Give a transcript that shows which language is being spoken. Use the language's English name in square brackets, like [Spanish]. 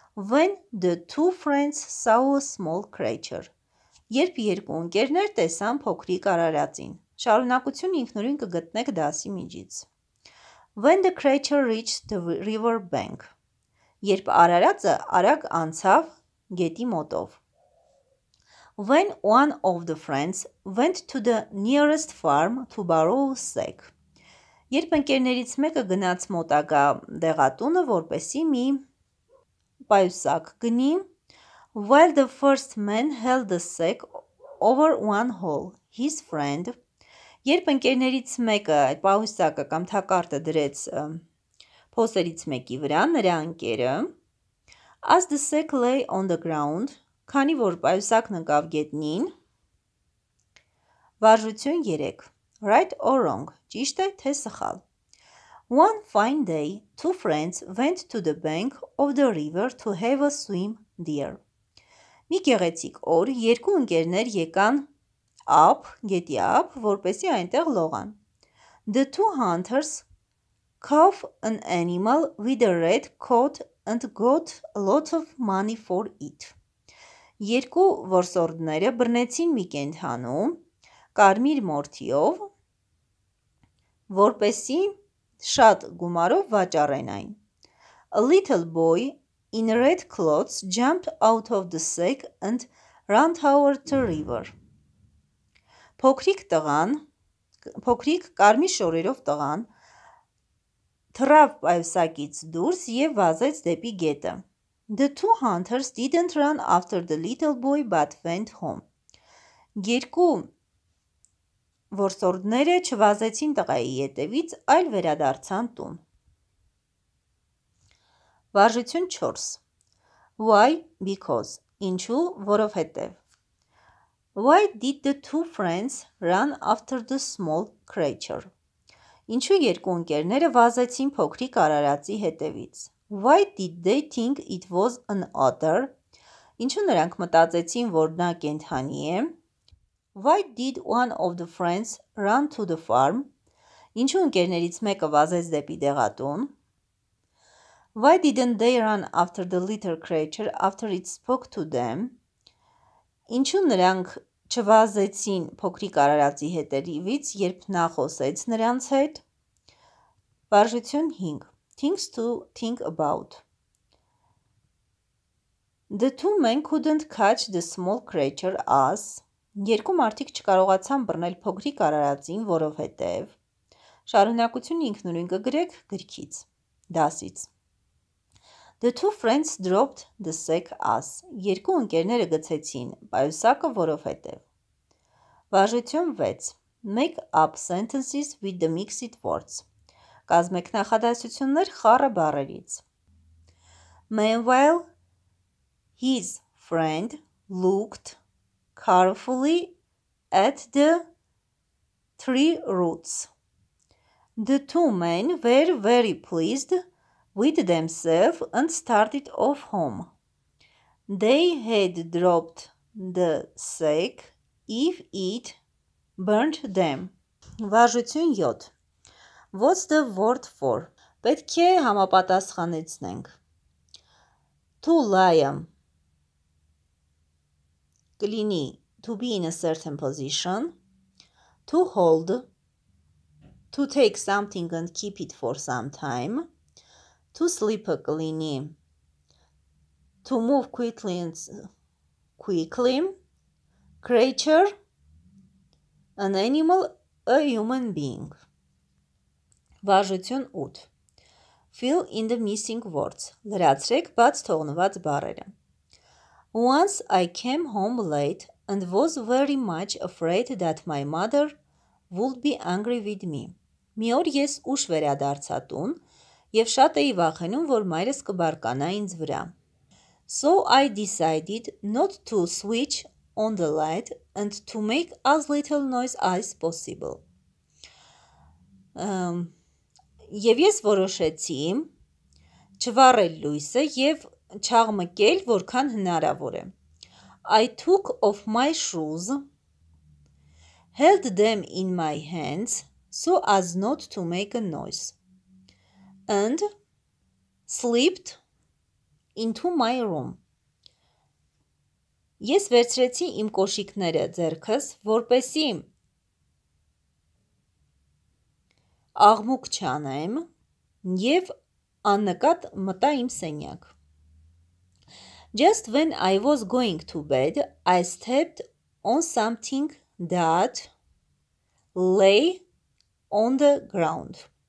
[English] When the two friends saw a small creature. [Armenian] Երբ երկու ընկերներ տեսան փոքրիկ արարածին. Շարունակությունը ինքնուրույն կգտնեք դասի միջից. [English] When the creature reached the river bank. [Armenian] Երբ արարածը արագ անցավ գետի մոտով. [English] When one of the friends went to the nearest farm to borrow a sack. [Armenian] Երբ ընկերներից մեկը գնաց մոտակա դեղատունը, որպեսի մի պայուսակ գնի. [English] While the first man held the sack over one hole, his friend. [Armenian] Երբ ընկերներից մեկը այդ պայուսակը կամ թակարդը դրեց փոսերից մեկի վրա, նրա ընկերը. [English] As the sack lay on the ground, [Armenian] քանի որ պայուսակն ընկավ գետնին. Վարժություն 3. [English] Right or wrong, [Armenian] ճիշտ է թե սխալ. [English] One fine day, two friends went to the bank of the river to have a swim there. [Armenian] Մի գեղեցիկ օր երկու ընկերներ եկան ափ, գետի ափ, որպեսի այնտեղ լողան. [English] The two hunters caught an animal with a red coat and got a lot of money for it. [Armenian] Երկու որսորդները բռնեցին մի կենդանու կարմիր մորթիով, որպեսի շատ գումարով վաճառեն այն. [English] A little boy in red clothes jumped out of the sack and ran toward the river. [Armenian] Փոքրիկ կարմիր շորերով տղան թռավ պայուսակից դուրս և վազեց դեպի գետը. [English] The two hunters didn't run after the little boy but went home. [Armenian] Երկու որսորդները չվազեցին տղայի ետևից, այլ վերադարձան տուն։ Վարժություն 4. [English] Why? Because. [Armenian] Ինչու, որովհետև. [English] Why did the two friends run after the small creature? [Armenian] Ինչու երկու ընկերները վազեցին փոքրիկ արարածի հետևից? [English] Why did they think it was an otter? [Armenian] Ինչու նրանք մտածեցին, որ նա կենդանի է? [English] Why did one of the friends run to the farm? [Armenian] Ինչու ընկերներից մեկը վազեց դեպի դեղատուն? [English] Why didn't they run after the little creature after it spoke to them? [Armenian] Ինչու նրանք չվազեցին փոքրիկ արարածի հետևից, երբ նա խոսեց նրանց հետ? [English] Վարժություն 5. Things to think about. The two men couldn't catch the small creature as... [Armenian] Երկու մարդիկ չկարողացան բռնել փոքրիկ արարածին, որովհետև շարունակությունը ինքնուրույն կգրեք գրքից, դասից. [English] The two friends dropped the sack as. [Armenian] Երկու ընկերները գցեցին պայուսակը, որովհետև. [English] Վարժություն 6. Make up sentences with the mixed words. [Armenian] Կազմեք նախադասություններ խառը բառերից. [English] Meanwhile, his friend looked carefully at the tree roots. The two men were very pleased with themselves and started off home. They had dropped the sack if it burned them. Վարժություն 7. What's the word for? [Armenian] Պետք է համապատասխանեցնենք. [English] To lie. [Armenian] Կլինի [English] to be in a certain position. To hold. To take something and keep it for some time. To sleep [Armenian] կլինի. [English] To move quickly and quickly. Creature. An animal, a human being. Վարժություն 8. Fill in the missing words. [Armenian] Լրացրեք բաց թողնված բառերը. [English] Once I came home late and was very much afraid that my mother would be angry with me. [Armenian] Մի օր ես ուշ վերադարձա տուն և շատ էի վախենում, որ մայրս կբարկանա ինձ վրա. [English] So I decided not to switch on the light and to make as little noise as possible. [Armenian] Եվ ես որոշեցի չվառել լույսը և չաղմկել, որքան հնարավոր է. [English] I took off my shoes, held them in my hands so as not to make a noise, and slipped into my room. [Armenian] Ես վերցրեցի իմ կոշիկները ձեռքս, որպեսի աղմուկ չանեմ և աննկատ մտա իմ սենյակ. [English] Just when I was going to bed, I stepped on something that lay on the ground.